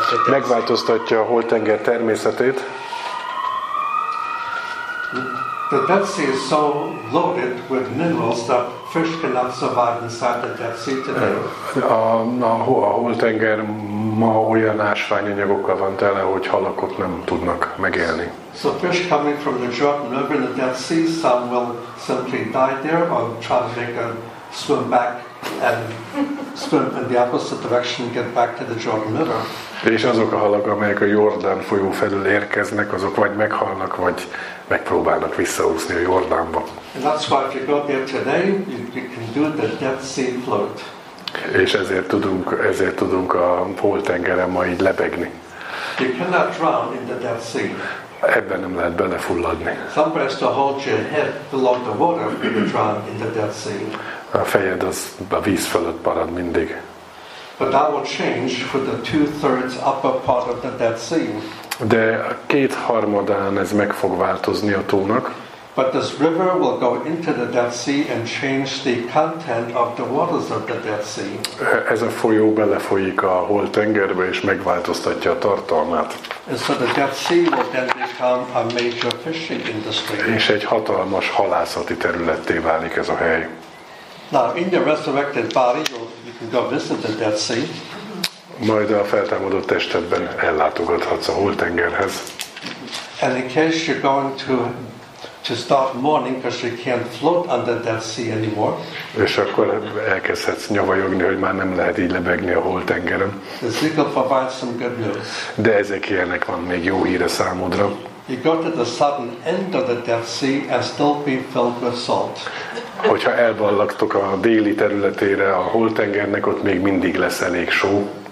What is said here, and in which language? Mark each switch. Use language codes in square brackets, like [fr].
[hu] Megváltoztatja a holtenger természetét. [en] The Dead Sea is so loaded with minerals that fish cannot survive inside the Dead Sea today. [hu] A holtenger ma olyan ásványanyagokkal van tele, hogy halak ott nem tudnak megélni. [en] So fish coming from the Jordan River in the Dead Sea, some will simply die there or try to make a swim back. And swim in the opposite direction and get back to the Jordan River. [hu] És azok a halak, amelyek a Jordán folyó felől érkeznek, azok vagy meghalnak, vagy megpróbálnak visszaúszni a Jordánba. [en] And that's why if you go there today, you can do the Dead Sea float. [hu] És ezért tudunk a holtengeren ma így lebegni. [en] You cannot drown in the Dead Sea. [hu] Ebben nem lehet belefulladni. [en] Somebody has to hold your head below the water if you drown in the Dead Sea. [hu] A fejed az a víz fölött marad mindig. [en] But that will change for the two-thirds upper part of the Dead Sea. [hu] De a kétharmadán ez meg fog változni a tónak. [en] But this river will go into the Dead Sea and change the content of the waters of the Dead Sea. [hu] Ez a folyó belefolyik a Holt-tengerbe és megváltoztatja a tartalmát. [en] And so the Dead Sea will then become a major fishing industry. [hu] És egy hatalmas halászati területté válik ez a hely. [en] Now in the resurrected body, you can go visit the Dead Sea. [hu] Majd a feltámadott testedben ellátogathatsz a Holt-tengerhez. [en] And in case you're going to start mourning because you can't float under that sea anymore. [hu] És akkor elkezdhetsz nyavajogni, hogy már nem lehet így lebegni a Holt-tengeren. [en] Ezekiel provides some good news. [hu] De Ezekielnek van még jó híre számodra. [en] You go to the southern end of the Dead Sea and still be filled with salt. [hu] Hogyha elballagtok a déli területére a Holt-tengernek, ott még mindig lesz elég só.